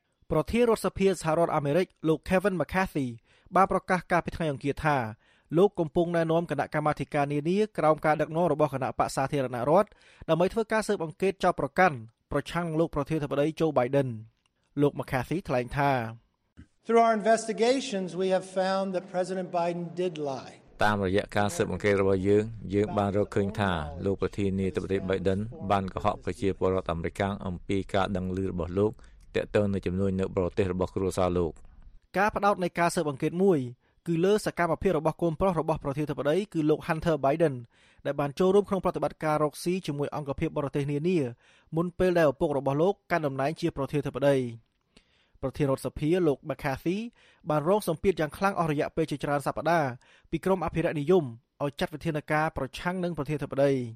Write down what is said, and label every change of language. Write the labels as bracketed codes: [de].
[km] ប្រធានរដ្ឋសភាសហរដ្ឋអាមេរិកលោក Kevin McCarthy បានប្រកាសកាលពីថ្ងៃអង្គារថាលោកកំពុងណែនាំគណៈកម្មាធិការនានាក្រោមការដឹកនាំរបស់គណៈបក្សសាធារណរដ្ឋដើម្បីធ្វើការស៊ើបអង្កេតចោទប្រកាន់ប្រឆាំងនឹងលោកប្រធានាធិបតី Joe Biden. លោក McCarthy ថ្លែងថា [en] Through our investigations we have found that President Biden did lie. [km] តាមរយៈការស៊ើបអង្កេតរបស់យើងបានរកឃើញថាលោកប្រធានាធិបតី Biden បានកុហកប្រជាពលរដ្ឋអាមេរិកអំពីការដឹងឮរបស់លោកទាក់ទងនឹងចំនួននៅប្រទេសរបស់គ្រួសារលោក ការផ្ដោតនៃការស៊ើបអង្កេតមួយគឺលើសកម្មភាពរបស់កូនប្រុសរបស់ប្រធានាធិបតីគឺលោក Hunter Biden ដែលបានចូលរួមក្នុងប្រតិបត្តិការរកស៊ីជាមួយអង្គភាពបរទេសនានាមុនពេលដែលឪពុករបស់លោកកាន់តំណែងជាប្រធានាធិបតីប្រធានរដ្ឋសភាលោក McCarthy បានរងសម្ពាធយ៉ាងខ្លាំងអស់រយៈពេលជាច្រើនសប្តាហ៍ពីក្រុមអភិរក្សនិយមឲ្យចាត់វិធានការប្រឆាំងនឹងប្រធានាធិបតី